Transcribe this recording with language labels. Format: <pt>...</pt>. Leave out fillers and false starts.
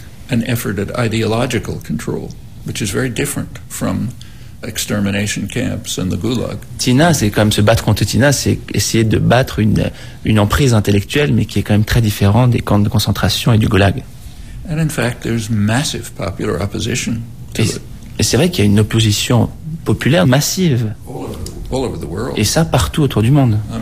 <en>An effort at ideological control, which is very different from extermination camps and the gulag.</en> <fr>Tina, c'est quand même se battre contre Tina, c'est essayer de battre une emprise intellectuelle, mais qui est quand même très différente des camps de concentration et du gulag.</fr> <en>And in fact, there's massive popular opposition to it.</en> <fr>Et c'est vrai qu'il y a une opposition populaire massive. Et ça partout autour du monde.</fr>